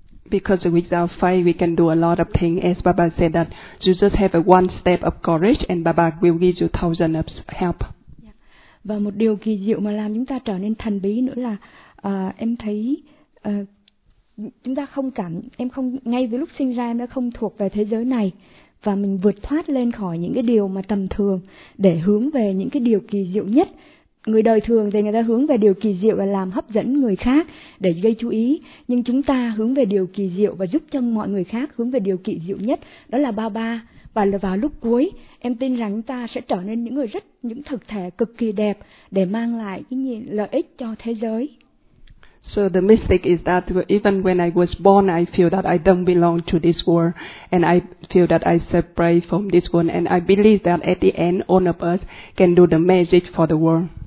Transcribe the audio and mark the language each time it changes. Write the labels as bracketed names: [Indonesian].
[English] Because without faith we can do a lot of things, as Baba said that you just have a one step of courage and Baba will give you thousands of help. [Vietnamese] Và một điều kỳ diệu mà làm chúng ta trở nên thần bí nữa là em thấy chúng ta không cảm, em không, ngay từ lúc sinh ra em đã không thuộc về thế giới này, và mình vượt thoát lên khỏi những cái điều mà tầm thường để hướng về những cái điều kỳ diệu nhất. Người đời thường thì người ta hướng về điều kỳ diệu là làm hấp dẫn người khác để gây chú ý, nhưng chúng ta hướng về điều kỳ diệu và giúp cho mọi người khác hướng về điều kỳ diệu nhất, đó là Baba. Và vào lúc cuối em tin rằng chúng ta sẽ trở nên những người rất, những thực thể cực kỳ đẹp để mang lại cái nhìn lợi ích cho thế giới. [English] So the mystic is that even when I was born, I feel that I don't belong to this world, and I feel that I separate from this world, and I believe that at the end, all of us can do the magic for the world.